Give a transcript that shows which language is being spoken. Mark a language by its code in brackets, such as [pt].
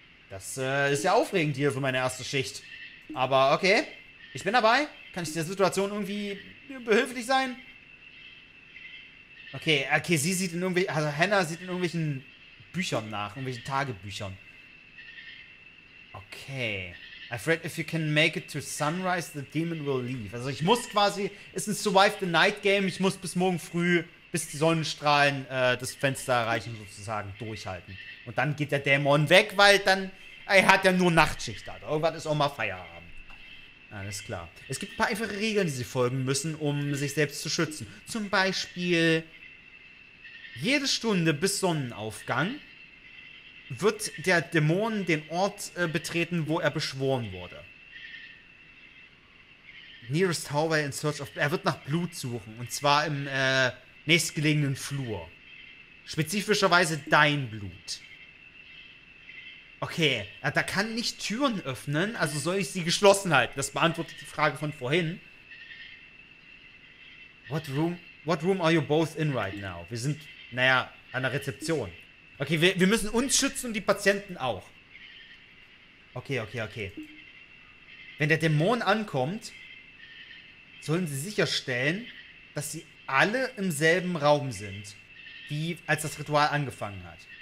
[de] Das ist ja aufregend hier für meine erste Schicht. Aber okay, ich bin dabei. Kann ich der Situation irgendwie behilflich sein? Okay, sie sieht in irgendwelchen... Also Hannah sieht in irgendwelchen Büchern nach, irgendwelchen Tagebüchern. Okay. [en] I've read if you can make it to sunrise, the demon will leave. [de] Also ich muss quasi... Ist ein Survive the Night Game. Ich muss bis morgen früh, bis die Sonnenstrahlen das Fenster erreichen, sozusagen durchhalten. Und dann geht der Dämon weg, weil dann... Er hat ja nur Nachtschicht da. Irgendwann ist auch mal Feierabend. Alles klar. Es gibt ein paar einfache Regeln, die sie folgen müssen, um sich selbst zu schützen. Zum Beispiel... Jede Stunde bis Sonnenaufgang wird der Dämon den Ort betreten, wo er beschworen wurde. [en] Nearest hallway in search of... [de] Er wird nach Blut suchen. Und zwar im nächstgelegenen Flur. Spezifischerweise dein Blut. Okay, da kann nicht Türen öffnen, also soll ich sie geschlossen halten? Das beantwortet die Frage von vorhin. [en] What room are you both in right now? [de] Wir sind, an der Rezeption. Okay, wir müssen uns schützen und die Patienten auch. Okay. Wenn der Dämon ankommt, sollen sie sicherstellen, dass sie alle im selben Raum sind, wie als das Ritual angefangen hat.